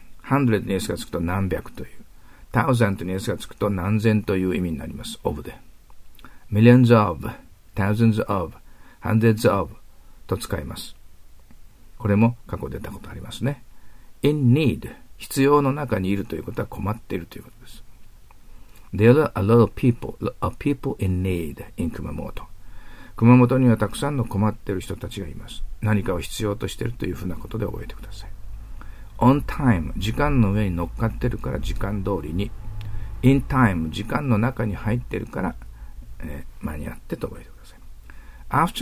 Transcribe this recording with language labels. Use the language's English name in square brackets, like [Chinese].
[Japanese] 100に S がつくと何百という。1000に S がつくと何千という意味になります。 of で。 [English] millions of, thousands of, hundreds of [Japanese] と使います。これも過去出たことありますね。in need, 必要の中にいるということは困っているということです。 [English] there are a lot of people in need in 熊本。 [Japanese] 熊本にはたくさんの困っている人たちがいます。何かを必要としているというふうなことで覚えてください。 On time 時間の上に乗っかってるから時間通りに In time 時間の中に入ってるから、間に合ってと覚えてください。